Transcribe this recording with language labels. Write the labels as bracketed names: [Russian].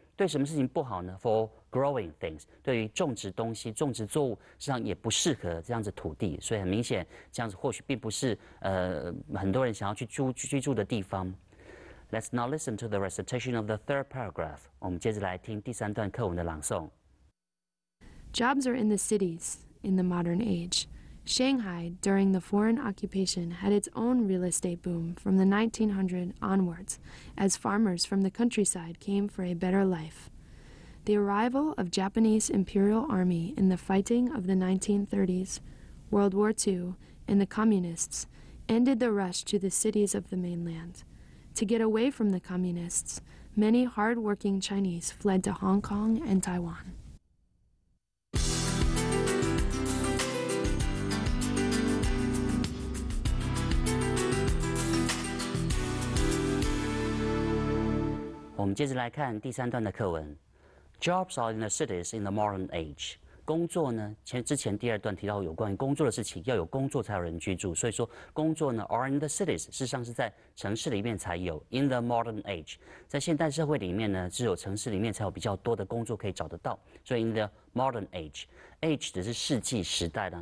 [Chinese] 对什么事情不好呢？ [English] For growing things， [Chinese] 对于种植东西、种植作物，实际上也不适合这样子土地。所以很明显，这样子或许并不是很多人想要去居住的地方。 [English] Let's now listen to the recitation of the third paragraph。 [Chinese] 我们接着来听第三段课文的朗诵。 [English] Jobs are in the cities in the modern age. Shanghai during the foreign occupation had its own real estate boom from the 1900 onwards, as farmers from the countryside came for a better life. The arrival of Japanese Imperial Army in the fighting of the 1930s, World War II, and the Communists ended the rush to the cities of the mainland. To get away from the Communists, many hard-working Chinese fled to Hong Kong and Taiwan. [Chinese] 我们接着来看第三段的课文。 [English] Jobs are in the cities in the modern age. [Chinese] 工作呢，之前第二段提到有关于工作的事情，要有工作才有人居住。所以说，工作呢 [English] are in the cities， [Chinese] 事实上是在城市里面才有。 [English] In the modern age， [Chinese] 在现代社会里面呢，只有城市里面才有比较多的工作可以找得到。所以 [English] in the modern age， [Chinese] age 只是世纪时代的。